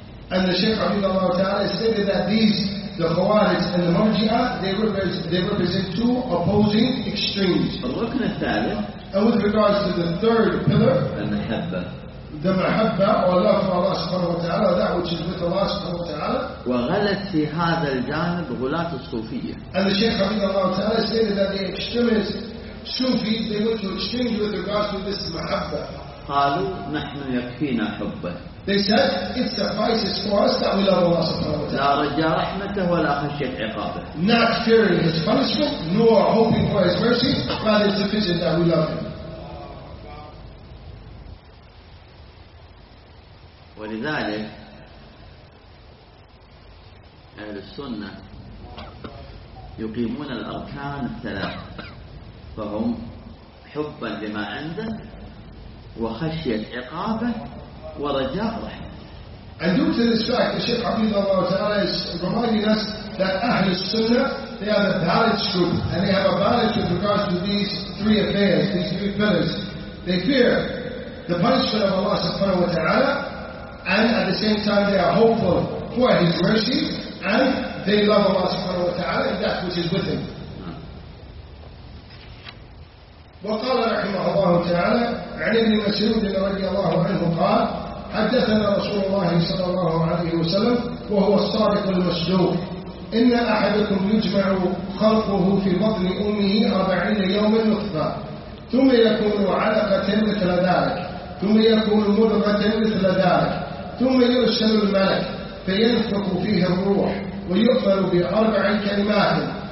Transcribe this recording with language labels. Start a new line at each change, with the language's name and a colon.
English: And the Shaykh Rahimahullah ta'ala stated that these, the Khawarij and the Murji'ah, they represent two opposing extremes. And with regards to the third pillar, the mahabba or love for Allah subhanahu wa ta'ala, that which is with Allah subhanahu wa ta'ala.
Arabic: وغلت في هذا الجانب غلات الصوفية.
English: And the Shaykh Rahimahullah ta'ala stated that the extremists, Sufis, they went to exchange with regards to this mahabba.
Arabic: قالوا نحن يكفينا حبه.
English: They said, it suffices for us that we love Allah subhanahu wa ta'ala.
Arabic: لا رجاء رحمته ولا خشية عقابه.
English: Not fearing His punishment, nor hoping for His mercy, but it's sufficient that we love Him.
Arabic: ولذلك أهل السنة يقيمون الأركان الثلاث فهم حبا لما عنده وخشية عقابه ورجاء رحمته.
English: And due to this fact, the Shaykh Rahimahullah ta'ala is reminding us that Ahl al-Sunnah, they are a valid group, and they have a valid with regards to these three affairs, these three pillars. They fear the punishment of Allah subhanahu wa ta'ala, and at the same time they are hopeful for His mercy, and they love Allah subhanahu wa ta'ala and that which is with Him.
Arabic: وقال رحمه الله تعالى عن ابن مسعود رضي الله عنه قال حدثنا رسول الله صلى الله عليه وسلم وهو الصادق المصدوق إن أحدكم يجمع خلقه في بطن أمه 40 يوما نطفة ثم يكون علقة مثل ذلك ثم يكون مضغة مثل ذلك ثم يرسل الملك فينفخ فيها الروح ويقبل بأربع كلمات